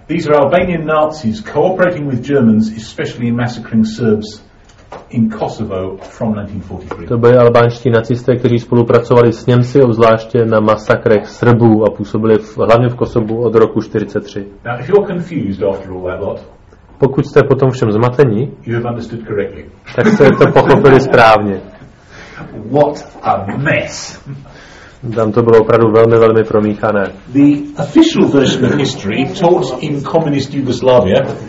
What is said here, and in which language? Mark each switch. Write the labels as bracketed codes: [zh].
[en] These are Albanian Nazis cooperating with Germans, especially in massacring Serbs in Kosovo from 1943. [cs] To byli albánští nacisté, kteří spolupracovali s Němci, obzvláště na masakrech Srbů a působili hlavně v Kosovu od roku 1943. [en] Now, if you're confused after all that lot, [cs] pokud jste potom všem zmatení, [en] you have understood correctly. [cs] Tak jste to pochopili správně. [en] What a mess! [cs] Tam to bylo opravdu velmi, velmi promíchané. [en] The official version of history taught in communist Yugoslavia.